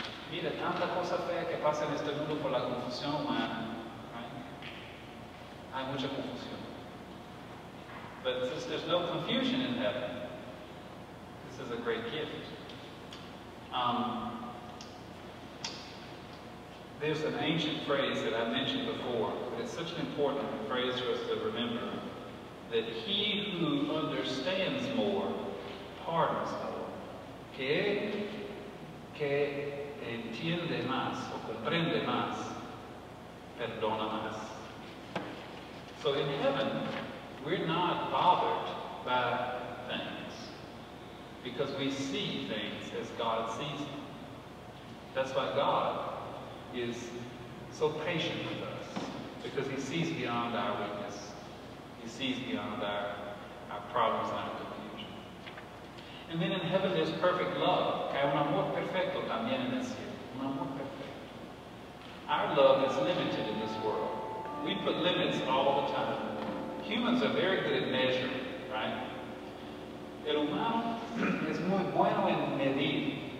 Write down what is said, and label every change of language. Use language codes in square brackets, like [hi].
[es] Mira, tanta cosa fea que pasa en este mundo por la confusión humana. Right? Hay mucha confusión. [en] But since there's no confusion in heaven, this is a great gift. There's an ancient phrase that I mentioned before, but it's such an important phrase for us to remember, that he who understands more pardons more. [es] Que que entiende más o comprende más, perdona más. [en] So in heaven, we're not bothered by things because we see things as God sees them. That's why God is so patient with us, because he sees beyond our weakness. He sees beyond our problems and our confusion. And then in heaven there's perfect love. [es] Hay un amor perfecto también en el cielo. Un amor perfecto. [en] Our love is limited in this world. We put limits all the time. Humans are very good at measuring, right? [es] El humano es muy bueno en medir.